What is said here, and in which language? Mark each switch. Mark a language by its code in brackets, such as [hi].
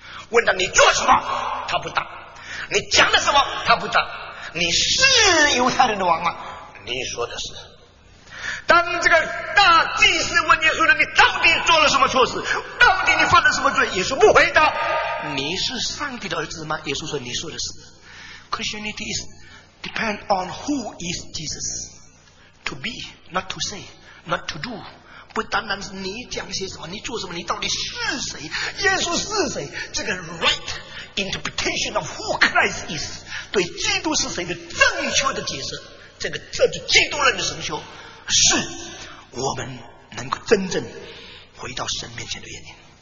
[zh] 问他你做什么，他不答；你讲了什么，他不答；你是犹太人的王吗？你说的是。当这个大祭司问耶稣的，你到底做了什么错事？到底你犯了什么罪？耶稣不回答。你是上帝的儿子吗？耶稣说：“你说的是。” [en] Christianity is depend on who is Jesus to be, not to say, not to do。 [zh] 不单单是你讲些什么，你做什么，你到底是谁？耶稣是谁？这个 [en] right interpretation of who Christ is， [zh] 对基督是谁的正确的解释，这就基督论的神学。是我们能够真正回到神面前的原因。